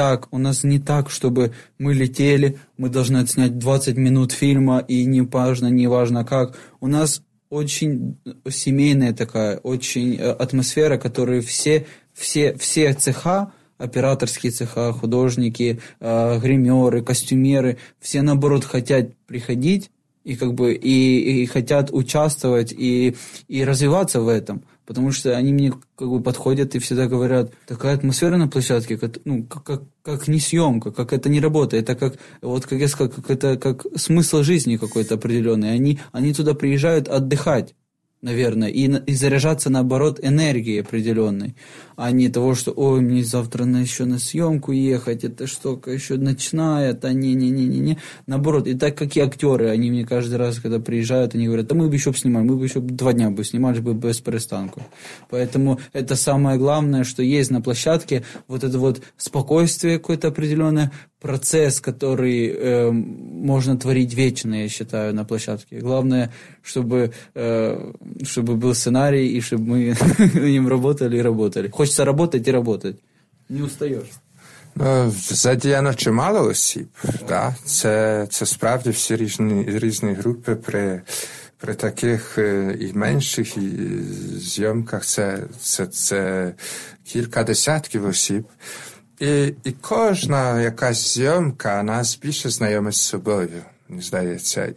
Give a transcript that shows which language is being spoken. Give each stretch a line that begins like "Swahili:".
Ukrainian: У нас не так, щоб ми летіли, ми повинні зняти 20 минут фільму, і не важно як. У нас дуже сімейна така, дуже атмосфера, яку всі цеха, операторські цеха, художники, гримери, костюмери, всі наоборот хочуть приходити.
Russian: И как бы и хотят участвовать и развиваться в этом, потому что они мне как бы подходят и всегда говорят: такая атмосфера на площадке, как не съемка, как это не работа, это как вот как я сказал, как это как смысл жизни какой-то определенный. Они туда приезжают отдыхать, наверное, и заряжаться наоборот энергией определенной, а не того, что ой, мне завтра еще на съемку ехать, это что, еще ночная, это не-не-не-не-не. Наоборот, и так как и актеры, они мне каждый раз, когда приезжают, они говорят: да мы бы еще снимали, мы бы еще два дня бы снимали, бы без перестанку. Поэтому это самое главное, что есть на площадке, вот это вот спокойствие какое-то определенное, процесс, который можно творить вечно, я считаю, на площадке. Главное, чтобы был сценарий, и чтобы мы над ним работали и работали. Хочется работать и работать. Не устаешь.
Ukrainian: Задіяно чимало осіб. Да? Це справді всі різні групи при таких і менших і зйомках. Це кілька десятків осіб. І кожна якась зйомка нас більше знайомить з собою, мені здається.